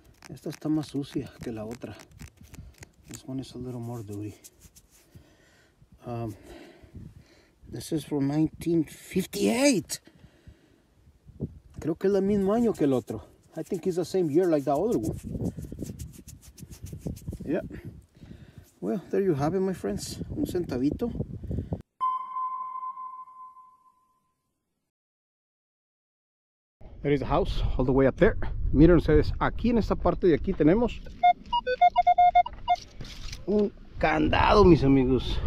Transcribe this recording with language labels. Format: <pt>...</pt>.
<es>Esta está más sucia que la otra.</es> <en>This one is a little more dirty. This is from 1958.</en> <es>Creo que es el mismo año que el otro.</es> <en>I think it's the same year like the other one. Yeah. Well, there you have it, my friends.</en> <es>Un centavito.</es> <en>There is the house, all the way up there.</en> <es>Miren ustedes, aquí en esta parte de aquí tenemos un candado, mis amigos.</es>